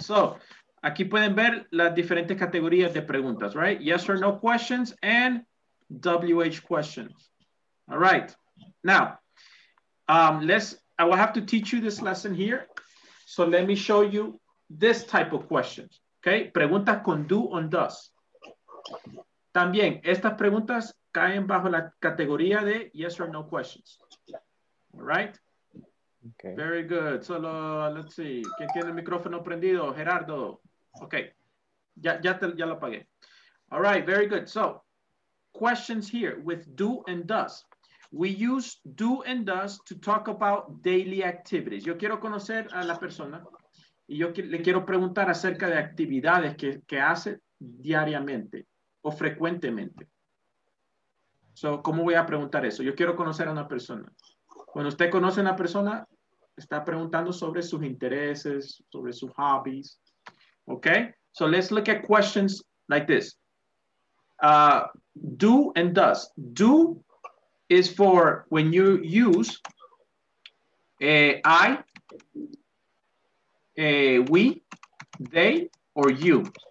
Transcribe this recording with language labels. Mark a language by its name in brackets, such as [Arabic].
[Spanish] So, aquí pueden ver las diferentes categorías de preguntas, right? [English] Yes or no questions and WH questions. All right. Now, I will have to teach you this lesson here. So let me show you this type of questions. [Spanish] Okay? Preguntas con do o does. También, estas preguntas caen bajo la categoría de [English] yes or no questions. All right? Okay. Very good. [Spanish] Solo, [English] let's see. [Spanish] ¿Quién tiene el micrófono prendido? Gerardo. [English] Okay, [Spanish] ya lo apagué. [English] All right, very good. So, questions here with do and does. We use do and does to talk about daily activities. [Spanish] Yo quiero conocer a la persona y yo le quiero preguntar acerca de actividades que hace diariamente o frecuentemente. So, ¿cómo voy a preguntar eso? Yo quiero conocer a una persona. Cuando usted conoce a una persona, está preguntando sobre sus intereses, sobre sus hobbies. [English] Okay, so let's look at questions like this. Do and does. Do is for when you use I, we, they, or you.